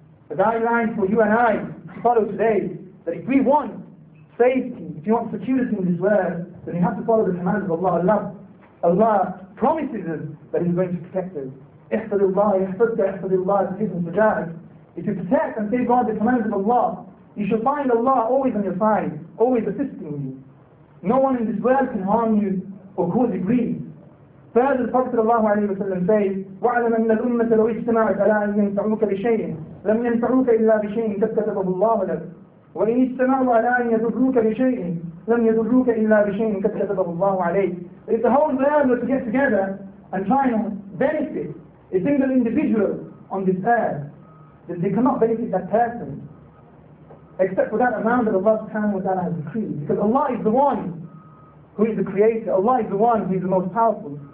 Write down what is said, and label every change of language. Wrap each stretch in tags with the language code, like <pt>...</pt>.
<en>A guideline for you and I to follow today, that if we want safety, if you want security in this world, then you have to follow the commands of Allah. Allah promises us that He's going to protect us.</en> <ar>احفظ الله يحفظك احفظ الله تحفظ المجاهد.</ar> <en>If you protect and safeguard the commands of Allah, you shall find Allah always on your side, always assisting you. No one in this world can harm you or cause you grief.</en> <ar>Further, the Prophet sallallahu alayhi wa sallam says, وَعَلَمَ أَنَّ الْأُمَّةَ لَوِ اجْتَمَعَتْ عَلَىٰ أَنْ يَنْفَعُوكَ بِشَيْءٍ لَمْ يَنْفَعُوكَ إِلَّا بِشَيْءٍ قَدْ كَتَبَهُ اللَّهُ لَكَ وَإِنْ اجْتَمَعُوا عَلَىٰ أَنْ يَضُرُّوكَ بِشَيْءٍ لَمْ يَضُرُّوكَ إِلَّا بِشَيْءٍ قَدْ كَتَبَهُ اللَّهُ عَلَيْكَ.</ar> <en>If the whole world were to get together and try to benefit a single individual on this earth, then they cannot benefit that person except for that amount that Allah subhanahu wa ta'ala has decreed. Because Allah is the one who is the creator. Allah is the one who is the most powerful.</en>